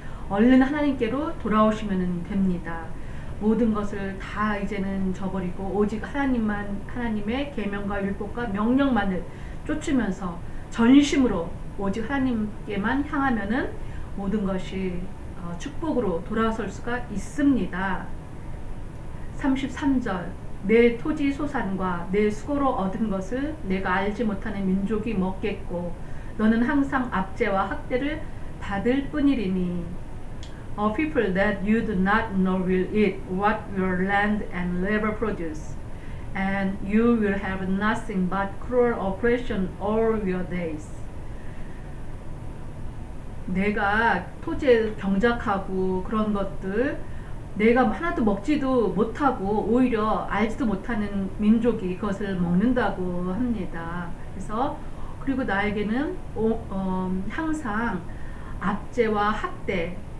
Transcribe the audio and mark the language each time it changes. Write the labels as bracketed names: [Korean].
[Korean] 얼른 하나님께로 돌아오시면 됩니다. 모든 것을 다 이제는 저버리고 오직 하나님만 하나님의 계명과 율법과 명령만을 쫓으면서 전심으로 오직 하나님께만 향하면은 모든 것이 축복으로 돌아설 수가 있습니다. 33절 내 토지 소산과 내 수고로 얻은 것을 내가 알지 못하는 민족이 먹겠고 너는 항상 압제와 학대를 받을 뿐이리니 [English] A people that you do not know will eat what your land and labor produce and you will have nothing but cruel oppression all your days. [Korean] 내가 토지에 경작하고 그런 것들 내가 하나도 먹지도 못하고 오히려 알지도 못하는 민족이 그것을 먹는다고 합니다. 그래서 그리고 나에게는 항상 압제와 학대